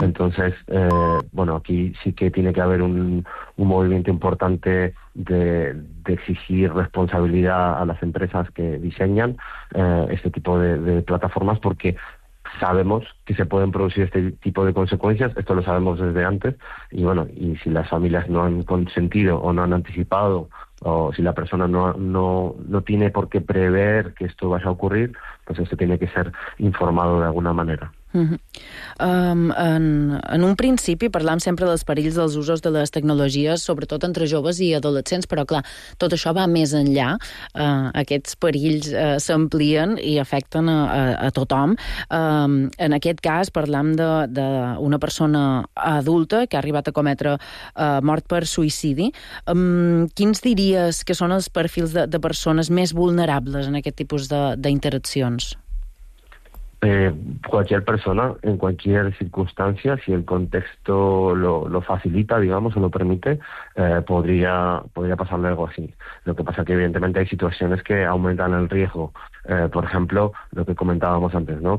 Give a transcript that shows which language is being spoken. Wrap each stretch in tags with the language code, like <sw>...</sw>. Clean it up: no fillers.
<es>Entonces, bueno, aquí sí que tiene que haber un movimiento importante de exigir responsabilidad a las empresas que diseñan este tipo de plataformas, porque sabemos que se pueden producir este tipo de consecuencias, esto lo sabemos desde antes, y bueno, y si las familias no han consentido o no han anticipado, o si la persona no tiene por qué prever que esto vaya a ocurrir, pues esto tiene que ser informado de alguna manera. Mm-hmm.</es> <ca>En un principi parlàvem sempre dels perills dels usos de les tecnologies, sobretot entre joves i adolescents, però clar, tot això va més enllà. Aquests perills s'amplien i afecten a tothom. En aquest cas parlàvem d'una persona adulta que ha arribat a cometre mort per suïcidi. Quins diries que són els perfils de persones més vulnerables en aquest tipus d'interaccions?</ca> <es>Cualquier persona, en cualquier circunstancia, si el contexto lo facilita, digamos, o lo permite, podría pasarle algo así. Lo que pasa es que evidentemente hay situaciones que aumentan el riesgo. Por ejemplo, lo que comentábamos antes, ¿no?</es>